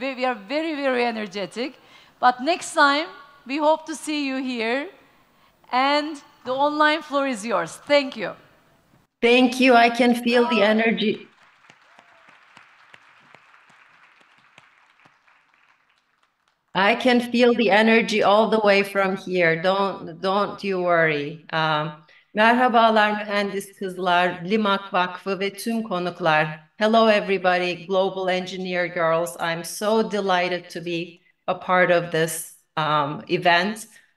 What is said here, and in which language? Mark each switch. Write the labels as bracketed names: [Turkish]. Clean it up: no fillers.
[English] We are very, very energetic. But next time, we hope to see you here, and the online floor is yours. Thank you. Thank you. I can feel the energy. I can feel the energy all the way from here. Don't you worry. [Turkish] Merhabalar mühendis kızlar, Limak Vakfı ve tüm konuklar. [English] Hello everybody, Global Engineer Girls. I'm so delighted to be a part of this event.